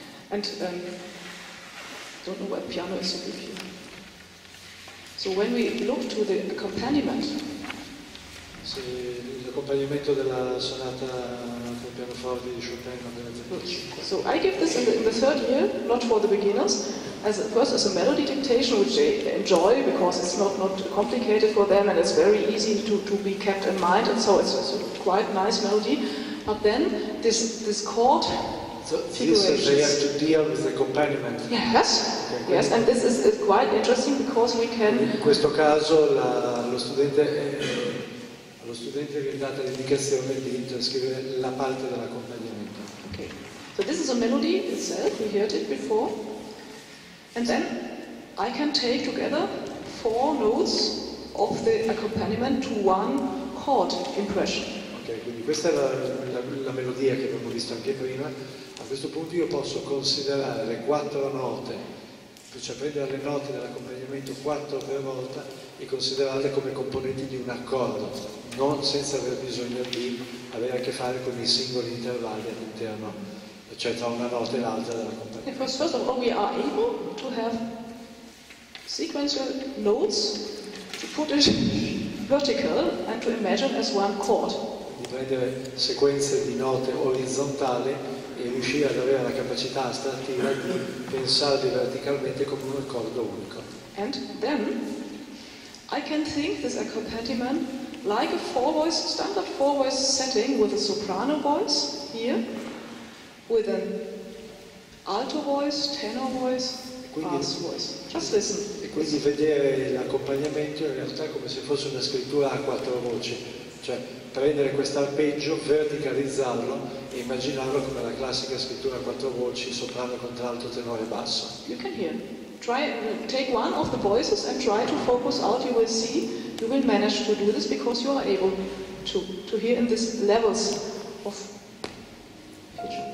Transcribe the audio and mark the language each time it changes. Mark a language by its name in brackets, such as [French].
[English] And I don't know what piano is so good here. So when we look to the accompaniment. [Italian] So l'accompagnamento della sonata per pianoforte di Chopin. [English] So I give this in the third year, not for the beginners, as a melody dictation, which they enjoy because it's not complicated for them and it's very easy to be kept in mind, and so it's a quite nice melody. But then this chord. So this, they have to deal with the accompaniment. Yes, and this is quite interesting because we can. [Italian] In questo caso lo studente che è data l'indicazione di scrivere la parte dell'accompagnamento. [English] Okay. So this is a melody itself, we heard it before. And then I can take together four notes of the accompaniment to one chord impression. [Italian] Okay, quindi questa è la melodia che abbiamo visto anche prima. A questo punto io posso considerare le quattro note, cioè prendere le note dell'accompagnamento quattro per volta e considerarle come componenti di un accordo, non senza aver bisogno di avere a che fare con i singoli intervalli all'interno, cioè tra una nota e l'altra della compagnia. [English] First of all, we are able to have sequential notes to put it vertical and to imagine as one chord. [Italian] Di prendere sequenze di note orizzontali e riuscire ad avere la capacità astrattiva di pensarli verticalmente come un accordo unico. [English] And then I can think this accompaniment like a standard four voice setting with a soprano voice here, with an alto voice, tenor voice, bass voice. Just listen. [Italian] E quindi vedere l'accompagnamento in realtà come se fosse una scrittura a quattro voci, cioè prendere questo arpeggio, verticalizzarlo e immaginarlo come la classica scrittura a quattro voci, soprano, contralto, tenore, basso. [English] You can hear. Try take one of the voices and try to focus out. You will see you will manage to do this because you are able to hear in these levels of pitch.